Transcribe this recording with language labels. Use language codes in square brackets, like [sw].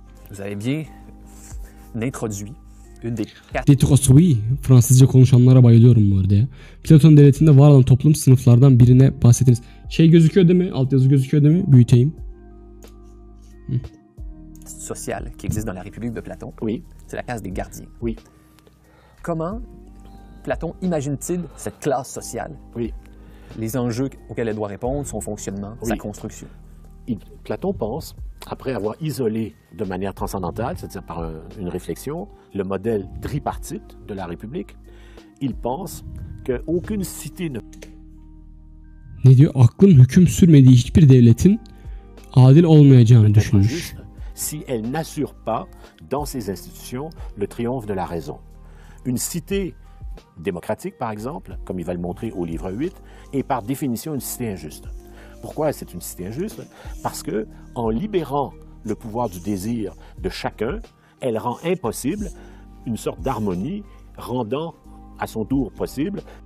[fr] Vous avez bien introduit une des quatre. Détroit, [tr] Fransızca konuşanlara bayılıyorum bu arada ya. Platon devletinde var olan toplum sınıflardan birine bahsettiniz. Şey gözüküyor değil mi? Altyazı gözüküyor değil mi? Büyüteyim. [fr] Sociale qui existe dans la République de Platon. Oui. C'est la classe des gardiens. Oui. Comment Platon imagine-t-il cette classe sociale? Oui. Les enjeux auxquels elle doit répondre, son fonctionnement, oui. Sa construction. Platon pense, après avoir isolé de manière transcendantale, c'est-à-dire par une réflexion, le modèle tripartite de la République, il pense qu'aucune cité ne... [tr] Ne diyor? Aklın hüküm sürmediği hiçbir devletin adil olmayacağını düşünmüş. [fr] Si elle n'assure pas, dans ses institutions, le triomphe de la raison. Une cité démocratique, par exemple, comme il va le montrer au livre 8, est par définition une cité injuste. Pourquoi c'est une cité injuste? Parce que en libérant le pouvoir du désir de chacun, elle rend impossible une sorte d'harmonie, rendant à son tour possible.